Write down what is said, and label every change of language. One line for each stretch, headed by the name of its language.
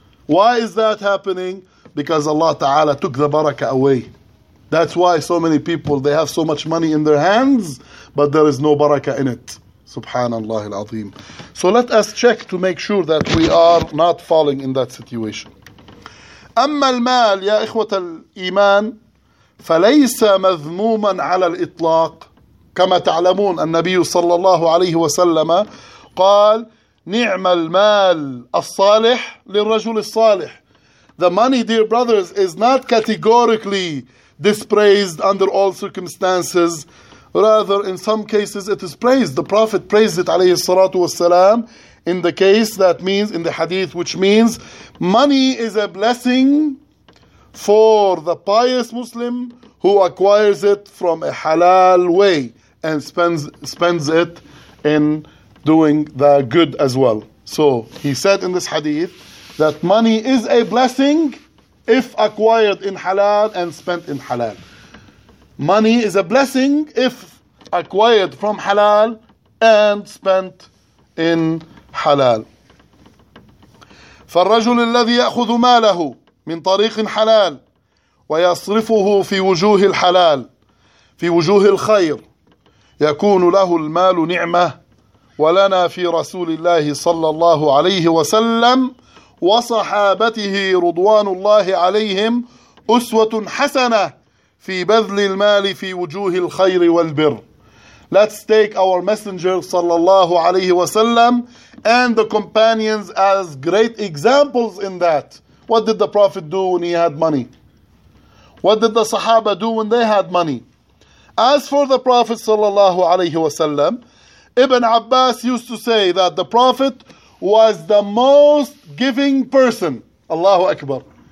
English: Why is that happening? Because Allah Ta'ala took the barakah away. That's why so many people, they have so much money in their hands, but there is no barakah in it. Subhanallah al-Azim. So let us check to make sure that we are not falling in that situation.
Arabic: أَمَّا الْمَالِ يَا إِخْوَةَ الْإِيمَانِ فليس مذموما على الإطلاق كما تعلمون. النبي صلى الله عليه وسلم قال نعم المال الصالح للرجل الصالح.
English: The money, dear brothers, is not categorically dispraised under all circumstances. Rather, in some cases it is praised. The Prophet praised it
Arabic: عليه الصلاة والسلام
English: in the case that means, in the hadith, which means money is a blessing for the pious Muslim who acquires it from a halal way and spends it in doing the good as well. So he said in this hadith that money is a blessing if acquired in halal and spent in halal. Money is a blessing if acquired from halal and spent in halal.
Arabic: فالرجل الذي يأخذ ماله من طريق حلال ويصرفه في وجوه الحلال في وجوه الخير يكون له المال نعمة ولنا في رسول الله صلى الله عليه وسلم وصحابته رضوان الله عليهم أسوة حسنة في بذل المال في وجوه الخير والبر.
English: Let's take our messenger
Arabic: صلى الله عليه وسلم
English: and the companions as great examples in that. What did the Prophet do when he had money? What did the Sahaba do when they had money? As for the Prophet sallallahu alayhi wasallam, Ibn Abbas used to say that the Prophet was the most giving person. Allahu Akbar.